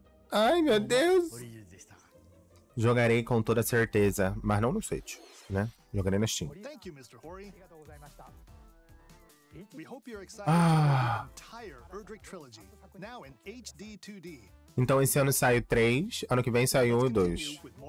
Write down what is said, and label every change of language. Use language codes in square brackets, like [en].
[pt] Ai, meu Deus! Jogarei com toda certeza, mas não no Switch, né? Jogarei na Steam. [en] Thank you, Mr. Hori. We hope you're excited about the entire Erdrick trilogy, now in HD 2D. [pt] Então esse ano sai o 3, ano que vem sai o 1 e 2.